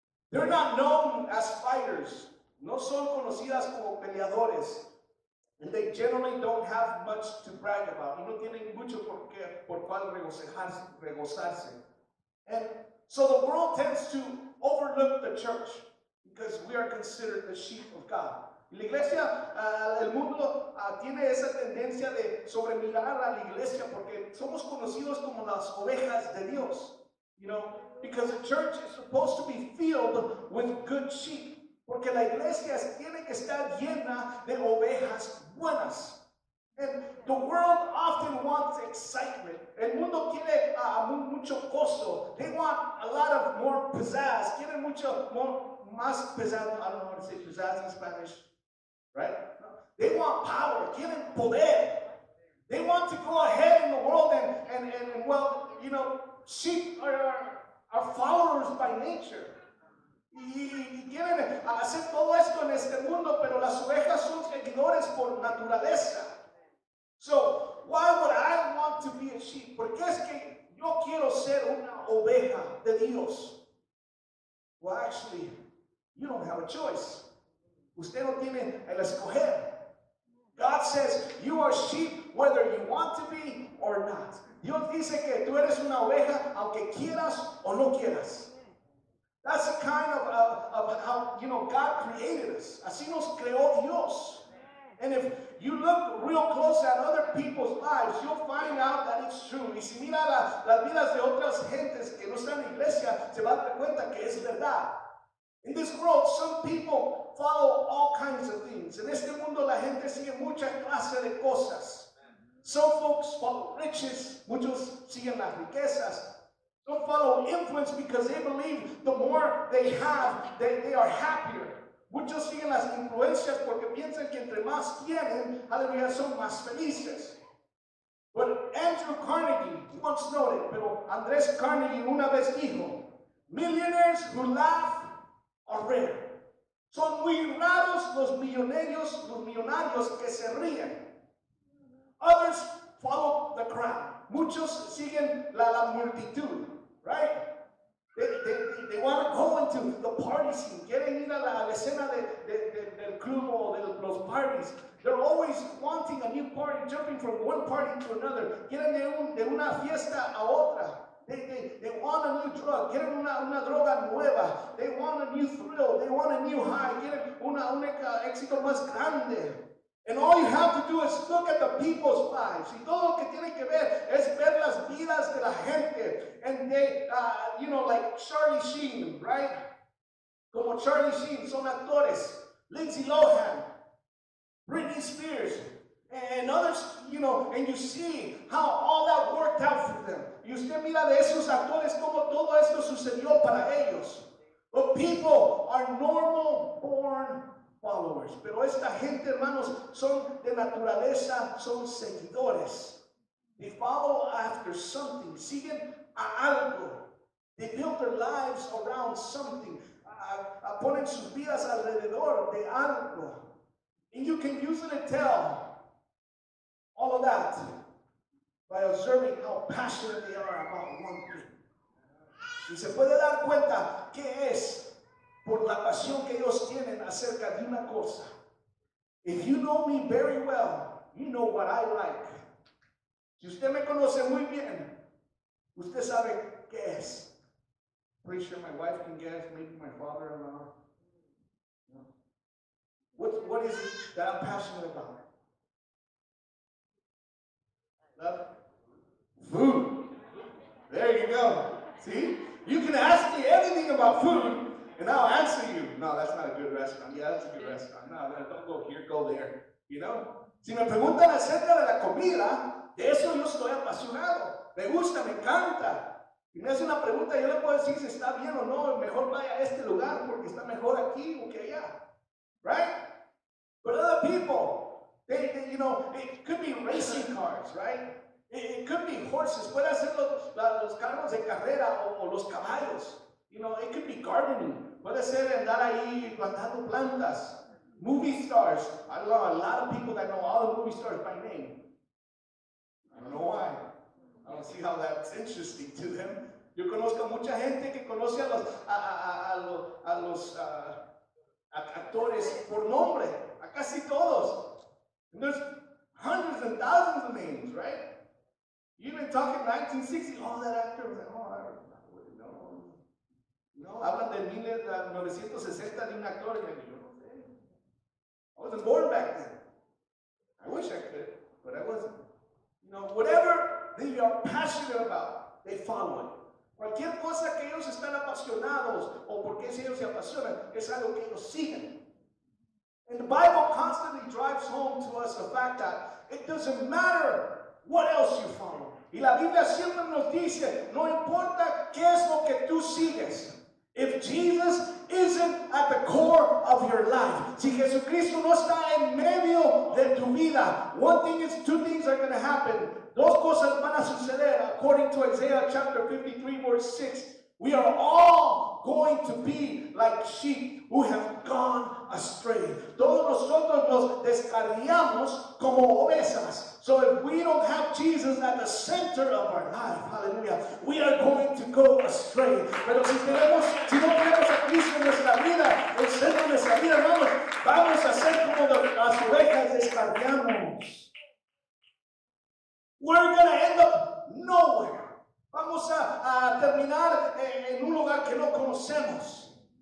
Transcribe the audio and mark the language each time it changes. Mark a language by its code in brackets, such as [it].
[en] They're not known as fighters. [es] No son conocidas como peleadores. [en] And they generally don't have much to brag about. [es] Y no tienen mucho por cual regocijarse. [en] And so the world tends to overlook the church because we are considered the sheep of God. [es] Y la iglesia, el mundo tiene esa tendencia de sobremirar a la iglesia porque somos conocidos como las ovejas de Dios. [en] You know, because the church is supposed to be filled with good sheep. [es] Porque la iglesia tiene que estar llena de ovejas buenas. [en] And the world often wants excitement. [es] El mundo quiere mucho costo. [en] They want a lot of more pizzazz. [es] Quieren mucho más pizzazz. [en] I don't know how to say pizzazz in Spanish. Right? No. They want power. [es] Quieren poder. [en] They want to go ahead in the world and well, you know, sheep are followers by nature. [es] Y quieren hacer todo esto en este mundo, pero las ovejas son seguidores por naturaleza. [en] So, why would I want to be a sheep? [es] ¿Por qué es que yo quiero ser una oveja de Dios? [en] Well, actually, you don't have a choice. [es] Usted no tiene el escoger. [en] God says, you are sheep whether you want to be or not. [es] Dios dice que tú eres una oveja aunque quieras o no quieras. [en] That's the kind of how, you know, God created us. [es] Así nos creó Dios. [en] And if you look real close at other people's lives, you'll find out that it's true. [es] Y si mira las vidas de otras gentes que no están en la iglesia, se va a dar cuenta que es verdad. [en] In this world, some people follow all kinds of things. [es] En este mundo, la gente sigue muchas clases de cosas. [en] Some folks follow riches. [es] Muchos siguen las riquezas. [en] Don't follow influence because they believe the more they have, they are happier. [es] Muchos siguen las influencias porque piensan que entre más tienen, aleluya, son más felices. [en] But Andrew Carnegie once noted, [es] pero Andrés Carnegie una vez dijo, [en] millionaires who laugh are rare. [es] Son muy raros los millonarios que se ríen. [en] Others follow the crowd. [es] Muchos siguen la multitud, [en] right? They want to go into the party scene. [es] Quieren ir a la escena del club o de los parties. [en] They're always wanting a new party, jumping from one party to another. [es] Quieren de una fiesta a otra. [en] They want a new drug. [es] Quieren una droga nueva. [en] They want a new thrill. They want a new high. [es] Quieren un éxito más grande. [en] And all you have to do is look at the people's lives. [es] Y todo lo que tiene que ver es ver las vidas de la gente. [en] And they, like Charlie Sheen, right? [es] Como Charlie Sheen, son actores. [en] Lindsay Lohan, Britney Spears, and others, and you see how all that worked out for them. [es] Y usted mira de esos actores como todo esto sucedió para ellos. [en] But people are normal, born followers. [es] Pero esta gente, hermanos, son de naturaleza, son seguidores. [en] They follow after something. [es] Siguen a algo. [en] They build their lives around something. [es] Ponen sus vidas alrededor de algo. [en] And you can usually tell all of that by observing how passionate they are about one thing. [es] Y se puede dar cuenta qué es por la pasión que ellos tienen acerca de una cosa. [en] If you know me very well, you know what I like. [es] Si usted me conoce muy bien, usted sabe qué es. [en] Pretty sure my wife can guess, maybe my father-in-law. What is it that I'm passionate about? Love? Food. There you go. See? You can ask me anything about food, and I'll answer you. No, that's not a good restaurant. Yeah, that's a good restaurant. No, don't go here, go there. You know? [es] Si me preguntan acerca de la comida, de eso yo estoy apasionado. Me gusta, me encanta. Y me hace una pregunta, yo le puedo decir si está bien o no, mejor vaya a este lugar porque está mejor aquí o que allá. [en] Right? But other people, they it could be racing cars, right? It could be horses. [es] Puede ser los carros de carrera o los caballos. [en] It could be gardening. [es] Puede ser andar ahí plantando plantas. [en] Movie stars. I know a lot of people that know all the movie stars by name. I don't know why. I don't see how that's interesting to them. [es] Yo conozco mucha gente que conoce a los actores por nombre. A casi todos. [en] And there's hundreds and thousands of names, right? Even talking 1960, all that actor was like, oh, I don't know. [es] No, hablan de 1960 de un actor, y yo no sé. [en] I wasn't born back then. I wish I could, but I wasn't. Whatever they are passionate about, they follow it. [es] Cualquier cosa que ellos están apasionados, o porque ellos se apasionan, es algo que ellos siguen. [en] And the Bible constantly drives home to us the fact that it doesn't matter what else you follow. [es] Y la Biblia siempre nos dice, no importa qué es lo que tú sigues. [en] If Jesus isn't at the core of your life, [es] si Jesucristo no está en medio de tu vida, [en] two things are going to happen. [es] Dos cosas van a suceder [en] according to Isaiah chapter 53 verse 6. We are all going to be like sheep who have gone astray. [es] Todos nosotros nos descarriamos como ovejas. [en] So if we don't have Jesus at the center of our life, hallelujah, we are going to go astray. [es] Pero si no tenemos a Cristo en nuestra vida, el centro de nuestra vida, hermanos, vamos a ser como las ovejas descarriamos. [en] We're going to end up nowhere. [es] Vamos a terminar en un lugar que no conocemos.